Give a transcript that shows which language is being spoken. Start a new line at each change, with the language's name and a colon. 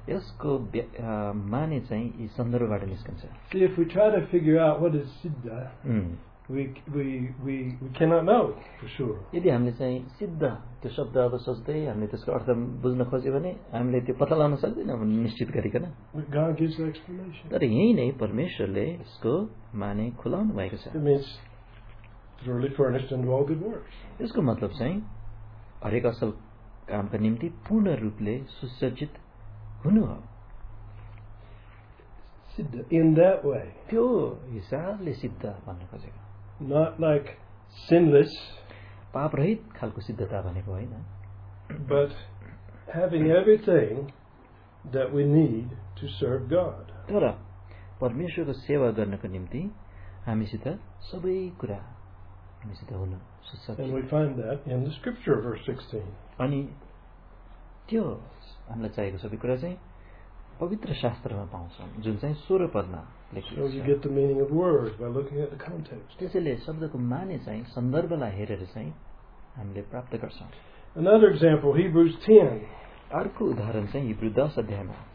Nepali: यसको माने चाहिँ यी सन्दर्भबाट निस्कन्छ.
English: See, if we try to figure out what is siddha, we cannot know for sure.
Nepali: यदि हामीले चाहिँ सिद्ध त्यो शब्द अब सोच्दै हामीले त्यसको अर्थ बुझ्न खोज्यो भने हामीले त्यो पत्ता लगाउन सक्दैनौँ निश्चित गरिकन.
English: God gives the explanation.
Nepali: तर यही नै परमेश्वरले यसको माने खुलाउनु भएको छ.
English: It means truly furnished unto all good works.
Nepali: यसको मतलब चाहिँ हरेक असल कामका निम्ति पूर्ण रूपले सुसज्जित हुनु हो.
English: Siddha in that way.
Nepali: त्यो हिसाबले सिद्ध भन्न खोजेको.
English: Not like sinless.
Nepali: पाप रहित खालको सिद्धता भनेको होइन.
English: But having everything that we need to serve God.
Nepali: तर परमेश्वरको सेवा गर्नको निम्ति हामीसित सबै कुरा हामीसित हुन सक्छ.
English: And we find that in the scripture verse 16.
Nepali: अनि त्यो हामीलाई चाहिएको सबै कुरा चाहिँ पवित्र शास्त्रमा पाउँछौँ जुन चाहिँ 16 पदमा.
English: So you get the meaning of words by looking at the context.
Nepali: त्यसैले शब्दको माने चाहिँ सन्दर्भलाई हेरेर चाहिँ हामीले प्राप्त गर्छौँ.
English: Another example, Hebrews 10.
Nepali: अर्को उदाहरण चाहिँ हिब्रू 10 अध्यायमा.